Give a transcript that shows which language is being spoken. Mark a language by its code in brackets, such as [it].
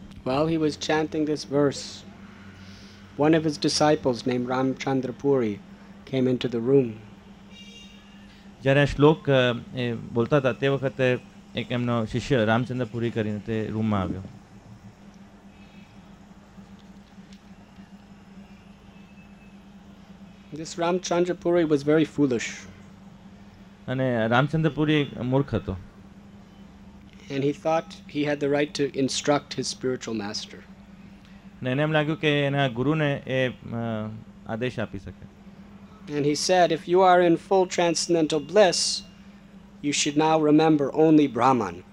[en] While he was chanting this verse, one of his disciples named Ramchandra Puri came into the room. [gu] જ્યારે શ્લોક એ બોલતા હતા તે વખતે એક એમનો શિષ્ય રામચંદ્ર પુરી કરીને તે રૂમમાં આવ્યો. [en] This Ramchandra Puri was very foolish. [gu] અને રામચંદ્ર પુરી મૂર્ખ હતો. [en] And he thought he had the right to instruct his spiritual master. [gu] અને એને એમ લાગ્યું કે એના ગુરુને એ આદેશ આપી શકે. [en] And he said, if you are in full transcendental bliss, you should now remember only Brahman.